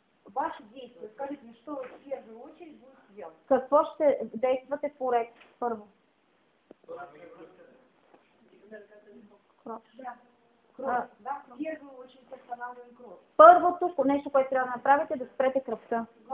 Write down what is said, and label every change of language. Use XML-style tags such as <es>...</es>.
<ru>Ваши действия, скажите мне, что вы в первую очередь будете делать?</ru> <bg>Какво ще действате поред първо?</bg> <ru>В первую очередь останавливаем кровь.</ru> <bg>Първото нещо, което трябва да направите, да спрете кръвта.</bg>